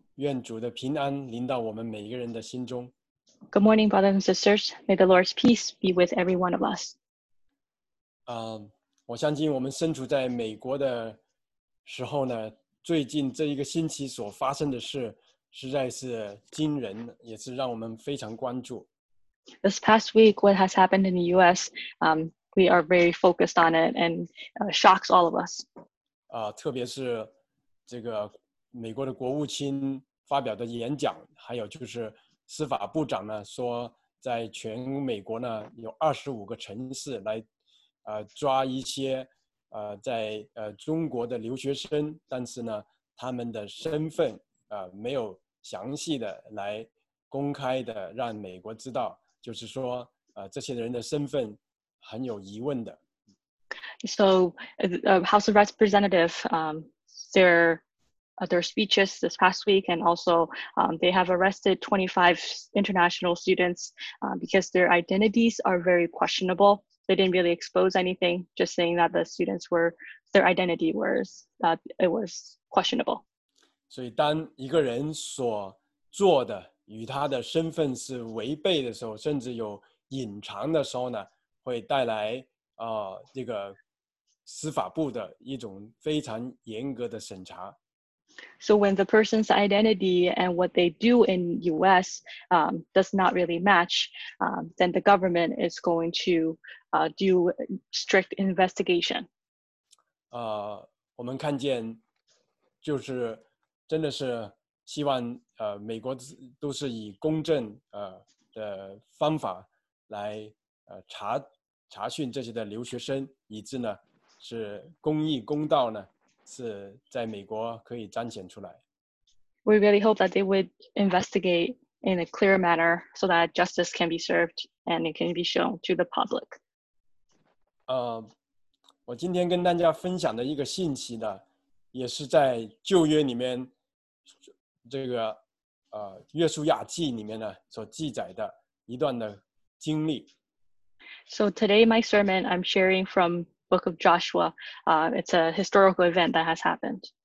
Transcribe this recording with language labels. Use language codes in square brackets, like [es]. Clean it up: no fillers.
[zh] 愿主的平安临到我们每一个人的心中。 [en] Good morning, brothers and sisters. May the Lord's peace be with every one of us. [zh] 我相信我们身处在美国的时候呢，最近这一个星期所发生的事实在是惊人，也是让我们非常关注。 [en] This past week, what has happened in the U.S.,we are very focused on it and shocks all of us. [zh] 特别是这个美国的国务卿发表的演讲，还有就是司法部长呢说，在全美国呢有25个城市来抓一些在中国的留学生，但是呢他们的身份没有详细的来公开的让美国知道，就是说这些人的身份很有疑问的。 [en] So House of Representatives, their speeches this past week, and also they have arrested 25 international students because their identities are very questionable. They didn't really expose anything, just saying that the students were, their identity was, that it was questionable. [zh] 所以当一个人所做的与他的身份是违背的时候，甚至有隐藏的时候呢，会带来这个司法部的一种非常严格的审查。 [en] So when the person's identity and what they do in U.S. Does not really match, then the government is going to do strict investigation. [zh] 我们看见就是真的是希望美国都是以公正的方法来查询这些的留学生，以致呢是公义公道呢是在美国可以彰显出来。 [en] We really hope that they would investigate in a clear manner so that justice can be served and it can be shown to the public. [zh] 我今天跟大家分享的一个信息呢，也是在旧约里面这个约书亚记里面呢所记载的一段的经历。 [en] So today my sermon I'm sharing from Book of Joshua. It's a historical event that has happened.